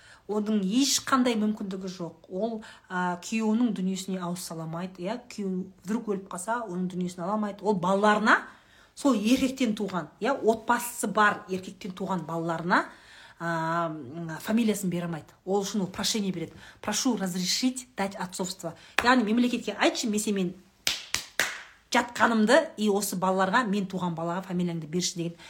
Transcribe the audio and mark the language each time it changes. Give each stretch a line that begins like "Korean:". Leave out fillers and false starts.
Kazakh: Оның ешқандай мүмкіндігі жоқ. Ол күйеуінің дүниесіне ауыз саламайды, иә, күйеу вдруг өліп қалса, оның дүниесін аламайды. Ол балаларына сол еркектен туған, иә, отбасысы бар еркектен туған балаларына фамилиясын бере алмайды. Ол үшін ол прошение береді.
Russian: Прошу разрешить дать отцовство.
Kazakh: Яғни мемлекетке айтшы, мен сенімен жатқанымды и осы балаларға мен туған балаға фамилияңды берші деген.